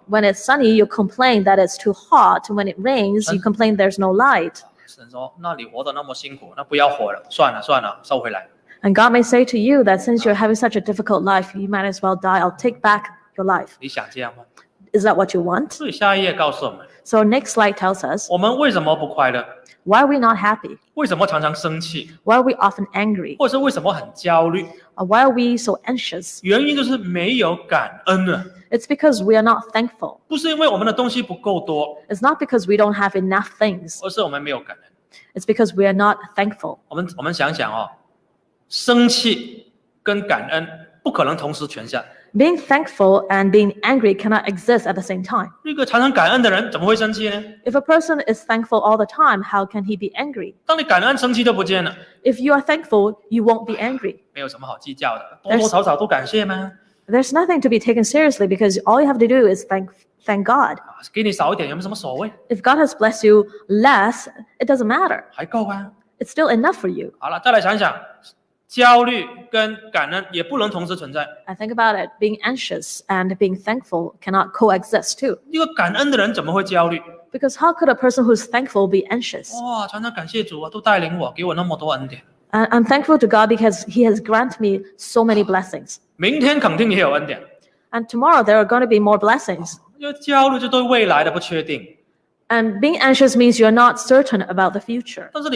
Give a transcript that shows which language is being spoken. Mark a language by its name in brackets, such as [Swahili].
[English] When it's sunny, you complain that it's too hot. When it rains, 神, you complain there's no light. [Chinese] 神说，那你活得那么辛苦，那不要活了，算了算了，收回来。 [English] And God may say to you that since you're having such a difficult life, you might as well die. I'll take back your life. [Chinese] 你想这样吗？ [English] Is that what you want? [Chinese] 所以下一页告诉我们。 [English] So next slide tells us, [Chinese] 我们为什么不快乐? [English] Why are we not happy? [Chinese] 为什么常常生气? [English] Why are we often angry? [Chinese] 或者是为什么很焦虑? [English] Why are we so anxious? [Chinese] 原因就是没有感恩了。 [English] It's because we are not thankful. [Chinese] 不是因为我们的东西不够多。 [English] It's not because we don't have enough things. [Chinese] 或者是我们没有感恩。 [English] It's because we are not thankful. [Chinese] 我们想想哦, 生气跟感恩不可能同时全下。 [English] Being thankful and being angry cannot exist at the same time. [Chinese] 一个常常感恩的人怎么会生气呢? [English] If a person is thankful all the time, how can he be angry? [Chinese] 当你感恩，生气就不见了。 [English] If you are thankful, you won't be angry. [Chinese] 没有什么好计较的，多多少少都感谢吗？ [English] There's nothing to be taken seriously because all you have to do is thank God. [Chinese] 给你少一点有没有什么所谓？ [English] If God has blessed you less, it doesn't matter. [Chinese] 还够啊。 [English] It's still enough for you. [Chinese] 好了，再来想想。焦虑跟感恩也不能同时存在。 [English] I think about it. Being anxious and being thankful cannot coexist too. [Chinese] 一个感恩的人怎么会焦虑？ [English] Because how could a person who's thankful be anxious? [Chinese] 哇，常常感谢主啊，都带领我，给我那么多恩典。 [English] I'm thankful to God because He has granted me so many blessings. [Chinese] 明天肯定也有恩典。 [English] And tomorrow there are going to be more blessings. [Chinese] 因为焦虑就对未来的不确定。 [English] And being anxious means you're not certain about the future.